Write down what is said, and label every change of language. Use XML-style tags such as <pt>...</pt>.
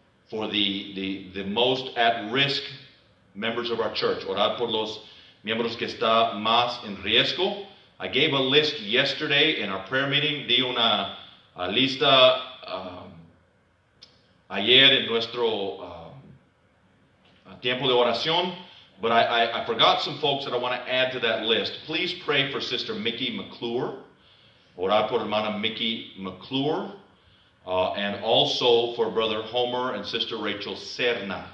<en>for the most at-risk members of our church.</en> <es>Orar por los miembros que está más en riesgo.</es> <en>I gave a list yesterday in our prayer meeting.</en> <es>Di una lista ayer en nuestro tiempo de oración.</es> <en>But I forgot some folks that I want to add to that list. Please pray for Sister Mickey McClure.</en> <es>Orar por hermana Mickey McClure.</es> <en>And also for Brother Homer and Sister Rachel Serna.</en>